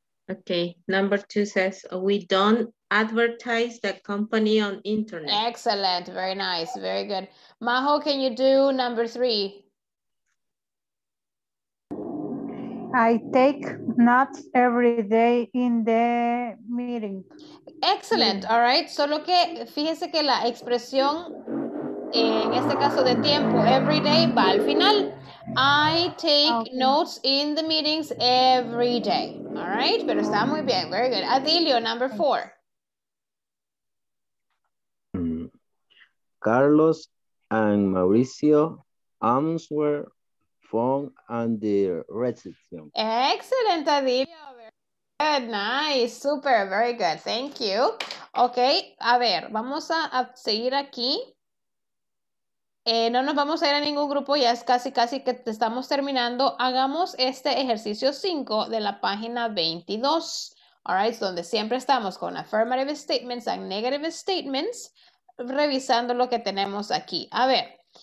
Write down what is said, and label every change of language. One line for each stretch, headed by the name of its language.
English: Okay, number two says, we don't advertise the company on internet. Excellent, very nice, very good. Majo, can you do number three? I take not every day in the meeting. Excellent. All right.
Spanish: Solo que fíjese que la expresión en este caso de tiempo, every day, va al final.
English: I take notes in the meetings every day. All right.
Spanish: Pero está muy bien.
English: Very good. Adilio, number four. Carlos and Mauricio answer phone and the reception. Excellent, Adilio. Very good, nice, super, very good, thank you.
Spanish: Okay, a ver, vamos a seguir aquí. No nos vamos a ir a ningún grupo, ya es casi que te estamos terminando. Hagamos este ejercicio 5 de la página 22. All right, donde siempre estamos con
English: affirmative statements and negative statements,
Spanish: revisando lo que tenemos aquí. A ver.